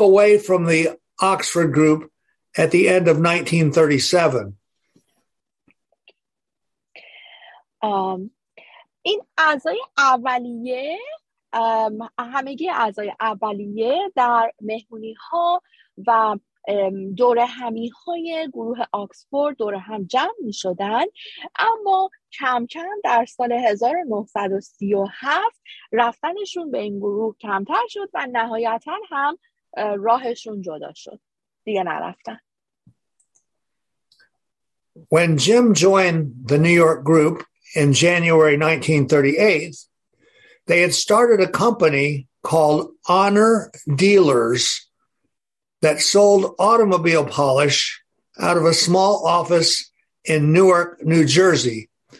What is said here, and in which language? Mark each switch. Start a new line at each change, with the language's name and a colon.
English: away from the Oxford group at the end of 1937.
Persian: این اعضای اولیه همگی اعضای اولیه در مهمونی ها و دور همی های گروه آکسفورد دور هم جمع می شدن، اما کم کم در سال 1937 رفتنشون به این گروه کمتر شد و نهایتا هم راهشون جدا شد، دیگه نرفتن.
English: When Jim joined the New York group in January 1938, they had started a company called Honor Dealers that sold automobile polish out of a small office in Newark, New Jersey.